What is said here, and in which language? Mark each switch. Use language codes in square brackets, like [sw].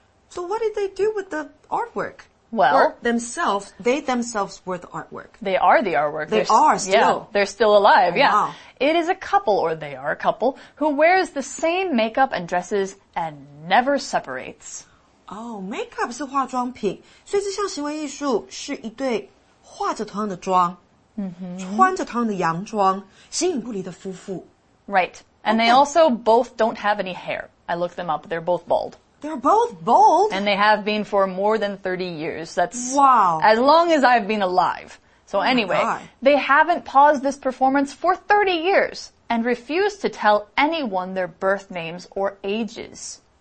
[en] So what did they do with the artwork? Well, they themselves were the artwork. They are the artwork. They are still. Yeah, they're still alive, oh, yeah. Wow. It is a couple, or they are a couple, who wears the same makeup and dresses and never separates. [zh] Oh, makeup 是化妆品。所以这项行为艺术是一对化着同样的妆、 mm-hmm. 穿着同样的洋装形影不离的夫妇。 [en] Right. And they also both don't have any hair. I looked them up. They're both bald. They're both bald? And they have been for more than 30 years. That's wow. As long as I've been alive. So anyway, they haven't paused this performance for 30 years and refuse to tell anyone their birth names or ages.